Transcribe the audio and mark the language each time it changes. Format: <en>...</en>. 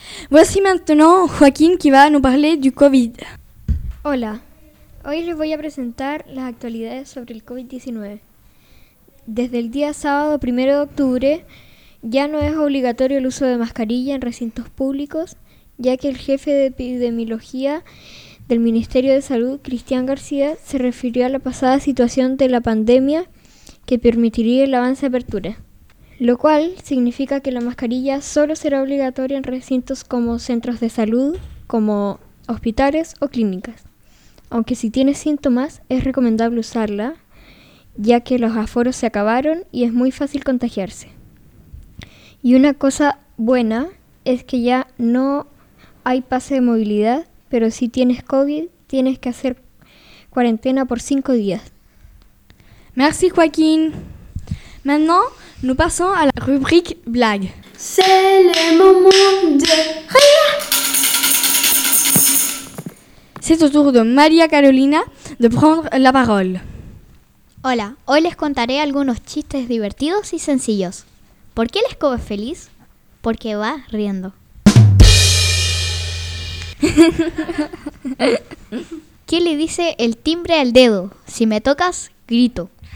<fr>Voici maintenant Joaquín qui va nous parler du COVID.</fr> <es>Hola. Hoy les voy a presentar las actualidades sobre el COVID-19. Desde el día sábado 1 de octubre ya no es obligatorio el uso de mascarilla en recintos públicos, ya que el jefe de epidemiología del Ministerio de Salud, Cristian García, se refirió a la pasada situación de la pandemia que permitiría el avance de apertura, lo cual significa que la mascarilla solo será obligatoria en recintos como centros de salud, como hospitales o clínicas. Aunque si tienes síntomas, es recomendable usarla, ya que los aforos se acabaron y es muy fácil contagiarse. Y una cosa buena es que ya no hay pase de movilidad, pero si tienes COVID, tienes que hacer cuarentena por 5 días.</es> <fr>Merci, Joaquín. Maintenant, nous passons à la rubrique blague. C'est le moment de rire. C'est au tour de María Carolina de prendre la parole.</fr> <es>Hola, hoy les contaré algunos chistes divertidos y sencillos. ¿Por qué la escoba es feliz? Porque va riendo. ¿Qué le dice el timbre al dedo? Si me tocas, grito.</es>